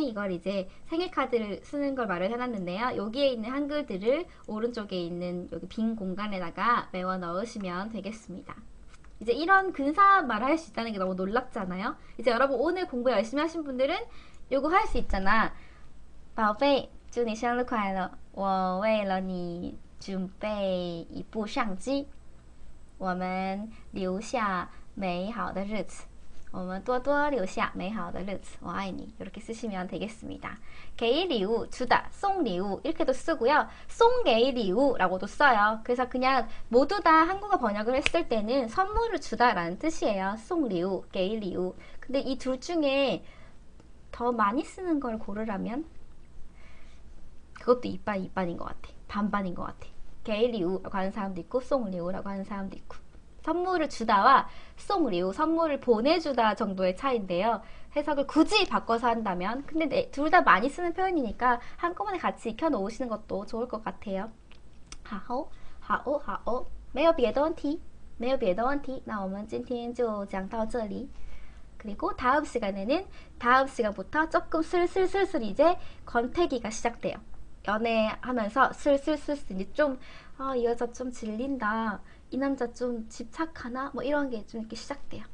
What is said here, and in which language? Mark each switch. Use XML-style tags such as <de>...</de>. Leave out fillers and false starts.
<ko>이걸 이제 생일 카드를 쓰는 걸 마련해놨는데요. 여기에 있는 한글들을 오른쪽에 있는 여기 빈 공간에다가 메워 넣으시면 되겠습니다. 이제 이런 근사한 말을 할수 있다는 게 너무 놀랍잖아요. 이제 여러분 오늘 공부 열심히 하신 분들은 요거 할수 있잖아.</ko> <zh>宝贝, 祝你生日快乐。我为了你准备一部相机，我们留下美好的日子。我们多多留下美好的日子。我爱你。</zh> <ko>이렇게 쓰시면 되겠습니다. 给礼物，주다，送礼物 이렇게도 쓰고요. 送给礼物라고도 써요. 그래서 그냥 모두 다 한국어 번역을 했을 때는 선물을 주다라는 뜻이에요.</ko> <zh>送礼物，给礼物。</zh> <ko>근데 이둘 중에 더 많이 쓰는 걸 고르라면 그것도 이반 이반인 것 같아. 반반인 것 같아. 给礼物라고 하는 사람도 있고 送礼物라고 하는 사람도 있고. 선물을 주다와 送礼物, 선물을 보내주다 정도의 차이인데요. 해석을 굳이 바꿔서 한다면, 근데 둘다 많이 쓰는 표현이니까 한꺼번에 같이 익혀놓으시는 것도 좋을 것 같아요.</ko> <zh>하오, 하오, 하오. 没有别的问题，没有别的问题。那我们今天就讲到这里。</zh> <ko>그리고 다음 시간에는 다음 시간부터 조금 슬슬슬슬 이제 권태기가 시작돼요. 연애하면서 슬슬슬슬 이제 좀, 이 여자 좀 질린다. 이 남자 좀 집착하나? 뭐 이런 게좀 이렇게 시작돼요.</ko>